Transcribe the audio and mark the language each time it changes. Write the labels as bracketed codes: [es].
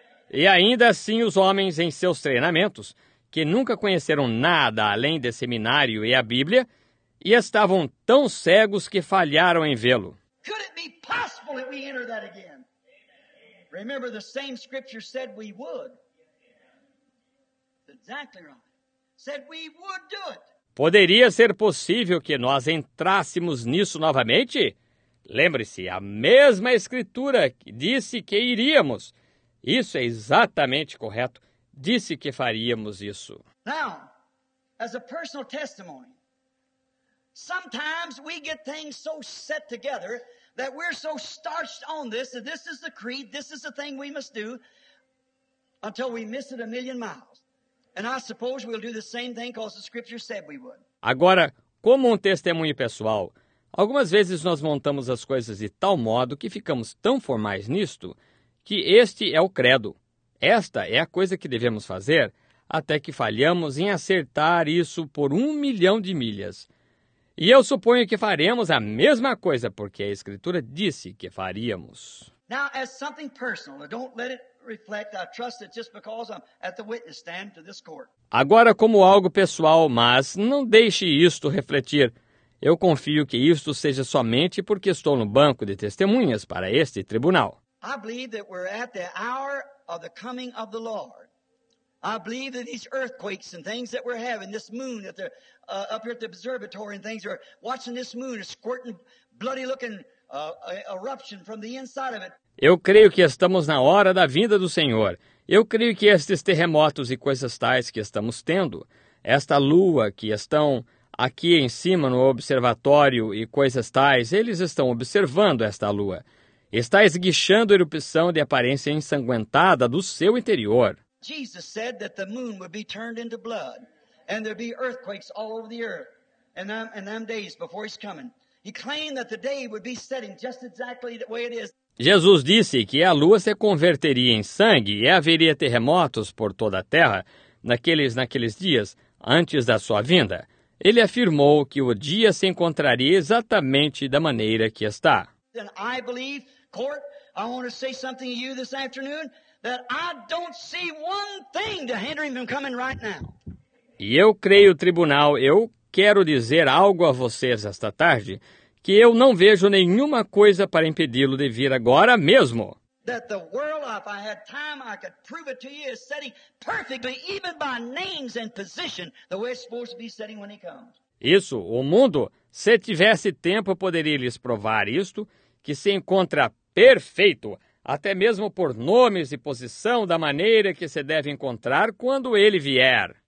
[pt] E ainda assim os homens em seus treinamentos, que nunca conheceram nada além de seminário e a Bíblia, e estavam tão cegos que falharam em vê-lo. [en] Could it be possible that we enter that again? Remember, the same scripture said we would. Exactly right. Said we would do it. [pt] Poderia ser possível que nós entrássemos nisso novamente? Lembre-se, a mesma escritura disse que iríamos. Isso é exatamente correto. Disse que faríamos isso. [en] Now, as a personal testimony, sometimes we get things so set together that we're so starched on this, that this is the creed, this is the thing we must do, until we miss it a million miles. And I suppose we'll do the same thing because the scripture said we would. [pt] Agora, como um testemunho pessoal, algumas vezes nós montamos as coisas de tal modo que ficamos tão formais nisto, que este é o credo, esta é a coisa que devemos fazer, até que falhamos em acertar isso por 1 milhão de milhas. E eu suponho que faremos a mesma coisa, porque a Escritura disse que faríamos. [en] Now, as something personal, don't let it reflect, I trust it just because I'm at the witness stand to this court. [pt] Agora, como algo pessoal, mas não deixe isto refletir. Eu confio que isto seja somente porque estou no banco de testemunhas para este tribunal. [en] I believe that we're at the hour of the coming of the Lord. I believe that these earthquakes and things that we're having, this moon at the up here at the observatory and things, are watching this moon squirting bloody looking eruption from the inside of it. [pt] Eu creio que estamos na hora da vinda do Senhor. Eu creio que estes terremotos e coisas tais que estamos tendo, esta lua que estão aqui em cima no observatório e coisas tais, eles estão observando esta lua. Está esguichando erupção de aparência ensanguentada do seu interior. [en] Jesus said that the moon would be turned into blood and there'd be earthquakes all over the earth and them days before he's coming. He claimed that the day would be setting just exactly the way it is. [pt] Jesus disse que a lua se converteria em sangue e haveria terremotos por toda a terra naqueles dias antes da sua vinda. Ele afirmou que o dia se encontraria exatamente da maneira que está. [en] And I believe, Court, I want to say something to you this afternoon, that I don't see one thing to hinder him from coming right now. [pt] E eu creio, tribunal, eu quero dizer algo a vocês esta tarde, que eu não vejo nenhuma coisa para impedi-lo de vir agora mesmo. [en] That the world, if I had time, I could prove it to you, is setting perfectly, even by names and position, the way it's supposed to be setting when he comes. [pt] Isso, o mundo, se tivesse tempo, eu poderia lhes provar isto, que se encontra perfeito, até mesmo por nomes e posição da maneira que se deve encontrar quando ele vier.